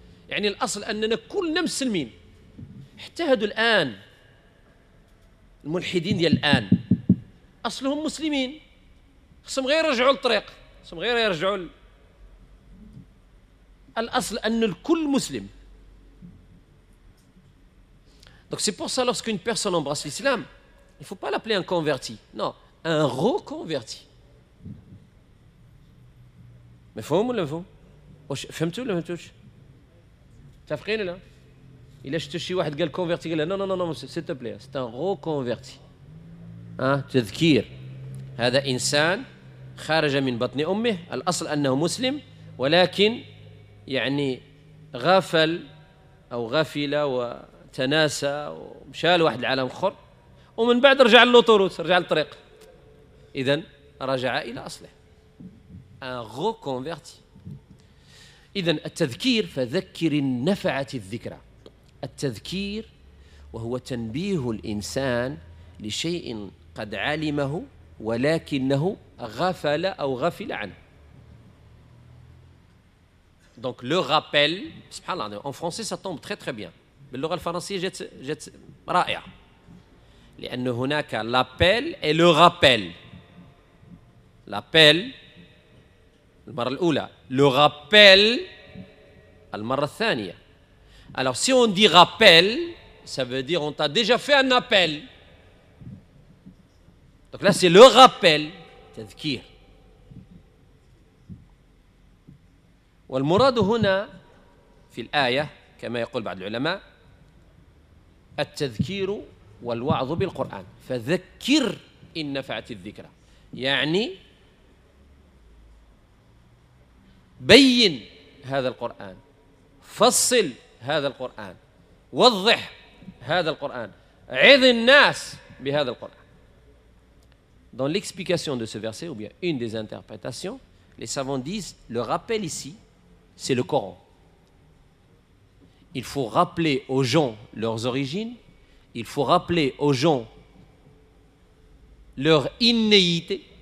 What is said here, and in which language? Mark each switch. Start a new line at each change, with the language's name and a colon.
Arabic: يعني الأصل أننا كلنا مسلمين. حتى هادو الآن الملحدين ديال الآن أصلهم مسلمين خصهم غير يرجعوا للطريق خصهم غير يرجعوا الأصل أن الكل مسلم.
French: Donc c'est pour ça lorsqu'une personne embrasse l'islam il ne faut pas l'appeler un converti non un reconverti.
Arabic: مفهوم ولا مفهوم؟ واش فهمتوا ولا ما فهمتوش؟ متفقين ولا؟ إلا شفتوا شي واحد قال كونفيرتي قال
French: نو نو نو نو سيت بلي سيت ان غو كونفيرتي.
Arabic: ها تذكير. هذا إنسان خرج من بطن أمه الأصل أنه مسلم ولكن يعني غفل أو غفل وتناسى ومشى لواحد العالم آخر ومن بعد رجع للوطروت رجع للطريق. إذن رجع إلى أصله.
French: Un reconverti.
Arabic: إذن التذكير فذكر النفعة الذكرى، التذكير وهو تنبيه الإنسان لشيء قد علمه ولكنه غفل أو غفل عنه.
French: Donc le rappel, subhanallah, en français ça tombe très très bien. Mais le français j'ai
Arabic: رائع. لأن هناك
French: l'appel et le rappel. L'appel
Arabic: المرة الأولى,
French: le rappel
Arabic: المرة الثانية.
French: Alors si on dit rappel, ça veut dire on t'a déjà fait un appel. Donc là c'est le rappel, تذكير.
Arabic: والمراد هنا في الآية كما يقول بعض العلماء التذكير والوعظ بالقرآن، فذكر إن نفعت الذكرى، يعني بين هذا القرآن، فصل هذا القرآن، وضح هذا القرآن، عظ الناس بهذا القرآن.
French: Dans l'explication de ce verset ou bien une des interprétations, les savants disent le rappel ici c'est le Coran. Il faut rappeler aux gens leurs origines, il faut rappeler aux gens leur innéité.